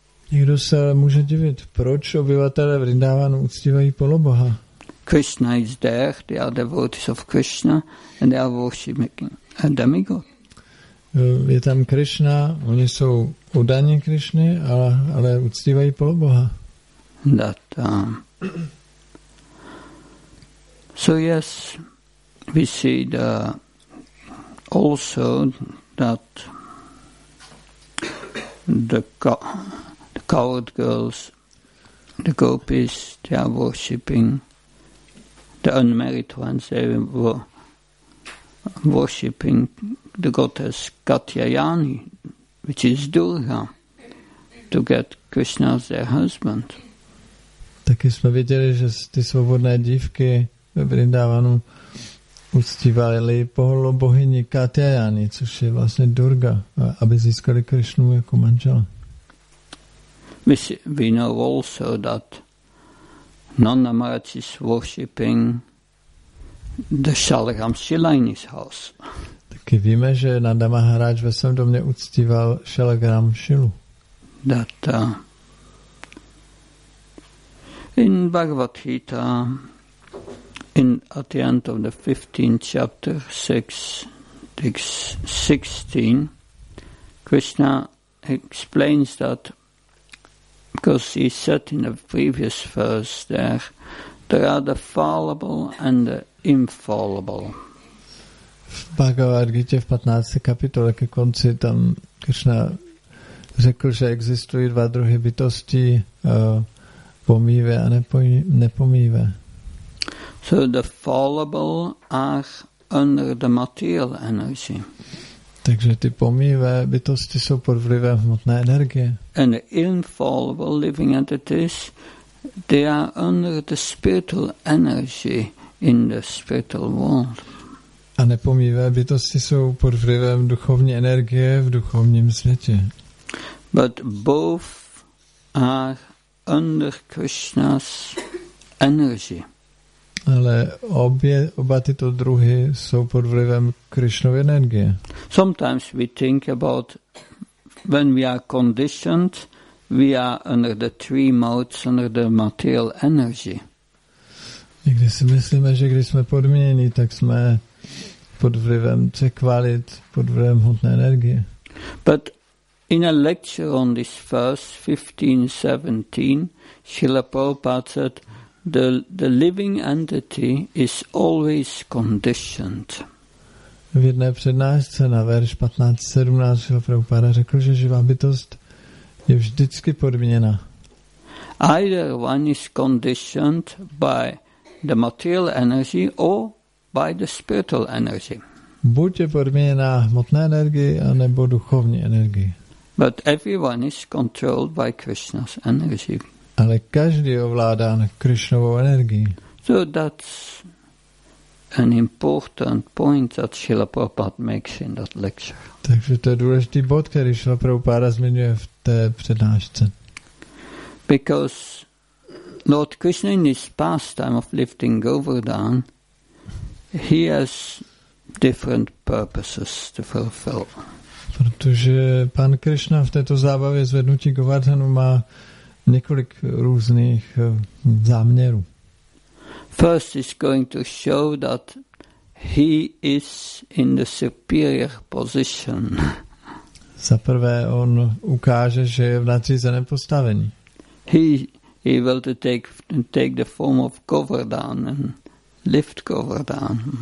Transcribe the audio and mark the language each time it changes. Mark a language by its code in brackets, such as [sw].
[cs] Někdo se může divit, proč obyvatelé Vrindavanu uctívají poloboha? [en] Krishna is there, they are devotees of Krishna and they are worshiping a demigod. [cs] Je tam Krishna, oni jsou udaní Krishny, ale uctívají poloboha. [en] That, so yes, we see the also that the coward girls, the gopis, they are worshipping the unmarried ones, they were worshipping the goddess Katyayani, which is Durga, to get Krishna as their husband. [cs] Taky jsme viděli, že ty svobodné dívky ve Vrindavanu uctívali bohyni Katyayani, což je vlastně Durga, aby získali Krishnu jako manžela. [en] We know also that Nanda Maharaj is worshipping the Shalagram Shila in his house. [cs] Taky víme, že Nanda Maharaj ve svém domě uctíval Shalagram Shilu. [en] That in Bhagavad Gita in at the end of the 15th chapter 6:16 Krishna explains that because he said in the previous verse there are the fallible and the infallible. [cs] V Bhagavad Gita v 15. kapitole ke konci tam Krishna řekl, že existují dva druhy bytosti, pomývé a nepomývé. [en] So the fallible are under the material energy. [cs] Takže ty pomývé bytosti jsou pod vlivem hmotné energie. [en] And the infallible living entities, they are under the spiritual energy in the spiritual world. [cs] A nepomývé bytosti jsou pod vlivem duchovní energie v duchovním světě. [en] But both are under Krishna's energy. [cs] Ale oba tyto druhy jsou pod vlivem Krishnovy energie. [en] Sometimes we think about when we are conditioned, we are under the three modes, under the material energy. [cs] Někdy si myslíme, že když jsme podmíněni, tak jsme pod vlivem třech kvalit, pod vlivem hmotné energie. [en] But in a lecture on this verse 15:17, Srila Prabhupada said, the living entity is always conditioned. [cs] V jedné přednášce na verš 15:17 Srila Prabhupada řekl, že živá bytost je vždycky podmíněna. [en] Either one is conditioned by the material energy or by the spiritual energy. [cs] Buď je podmíněna hmotné energie, anebo duchovní energie. [en] But everyone is controlled by Krishna's energy. [cs] Ale každý ovládán Krishnovou energií. [en] So that's an important point that Srila Prabhupada makes in that lecture. [cs] Takže to je důležitý bod, který Srila Prabhupada zmiňuje v té přednášce. [en] Because Lord Krishna in his pastime of lifting Govardhan, he has different purposes to fulfill. [cs] Protože pan Krishna v této zábavě zvednutí Govardhanu má několik různých záměrů. [en] First is going to show that he is in the superior position. [cs] Za prvé on ukáže, že je v nadřízeném postavení. [en] He will to take the form of Govardhan and lift Govardhan.